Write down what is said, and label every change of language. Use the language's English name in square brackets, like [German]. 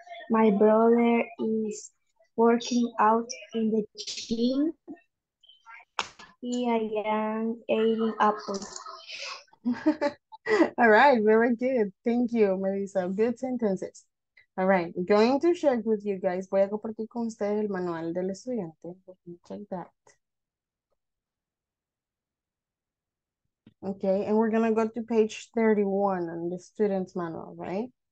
[English] My brother is working out in the gym. I am eating apples. All right, very good. Thank you, Melissa. Good sentences. All right, going to share with you guys. [Spanish] Voy a compartir con ustedes el manual del estudiante. [English] Let me check that. Okay, and we're going to go to page 31 on the student's manual, right?